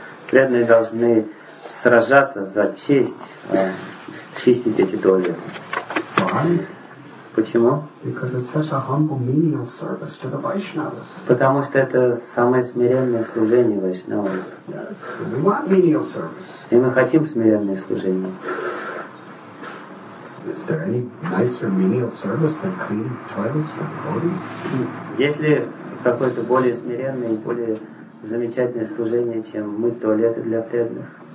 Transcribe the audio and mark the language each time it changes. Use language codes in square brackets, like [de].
[ru] Преданные должны сражаться за честь чистить эти туалеты. Почему? [en] Because it's such a humble, menial service to the Vaishnavas. [ru] Потому что это самое смиренное служение вайшнавам. [en] Yes, we want menial service. [ru] И мы хотим смиренное служение. [en] Is there any nicer menial service than clean toilets for devotees? [ru] Есть ли какое-то более смиренное и более замечательное служение, чем мыть туалеты для преданных?